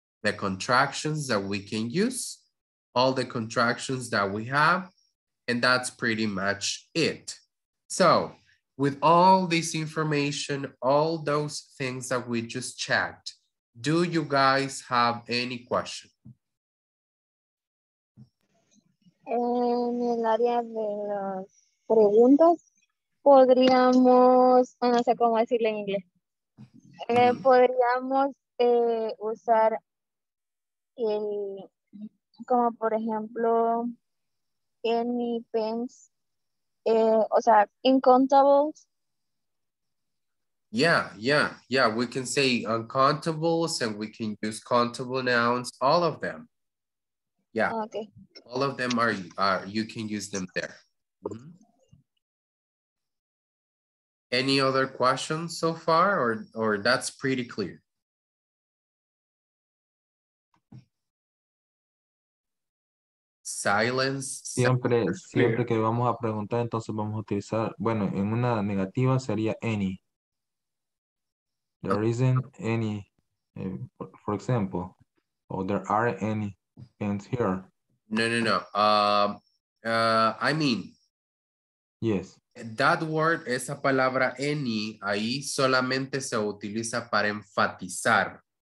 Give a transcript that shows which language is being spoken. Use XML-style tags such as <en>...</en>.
<en>The contractions that we can use, all the contractions that we have, and that's pretty much it. So, with all this information, all those things that we just checked, do you guys have any question?</en> <es>En el área de las preguntas, podríamos, no sé cómo decirlo en inglés, podríamos usar el, como por ejemplo, any pens. O sea, incontables.</es> <en>Yeah. We can say uncountables and we can use countable nouns, all of them. Yeah. Okay. All of them are you can use them there. Mm-hmm. Any other questions so far or that's pretty clear? Silence.</en> <es>Siempre que vamos a preguntar, entonces vamos a utilizar, bueno, en una negativa sería any.</es> <en>There isn't any, for example, or there aren't any pens here. No. I mean. Yes. That word,</en> <es>esa palabra any, ahí solamente se utiliza para enfatizar.</es>